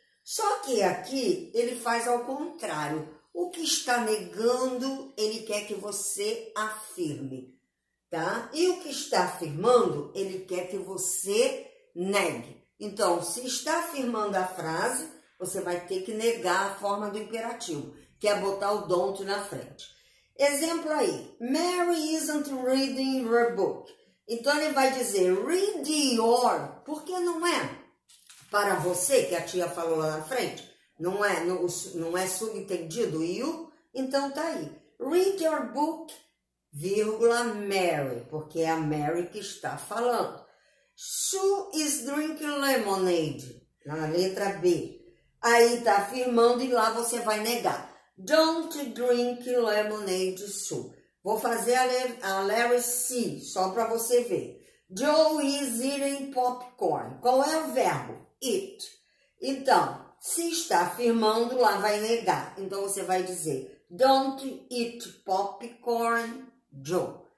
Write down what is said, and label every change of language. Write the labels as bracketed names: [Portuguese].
[Portuguese] Só que aqui ele faz ao contrário. O que está negando, ele quer que você afirme, tá? E o que está afirmando, ele quer que você negue. Então, se está afirmando a frase, você vai ter que negar a forma do imperativo, que é botar o don't na frente. Exemplo aí: [English] Mary isn't reading her book. [Portuguese] Então, ele vai dizer: [English] read your, [Portuguese] porque não é para você, que a tia falou lá na frente. Não é, não, não é subentendido you? Então tá aí. [English] Read your book, [Portuguese] vírgula Mary, porque é a Mary que está falando. [English] Sue is drinking lemonade, [Portuguese] na letra B. Aí tá afirmando e lá você vai negar. [English] Don't drink lemonade, Sue. [Portuguese] Vou fazer a Larry C, só para você ver. [English] Joe is eating popcorn. [Portuguese] Qual é o verbo? [English] Eat. [Portuguese] Então, se está afirmando, lá vai negar. Então você vai dizer: [English] Don't eat popcorn, Joe.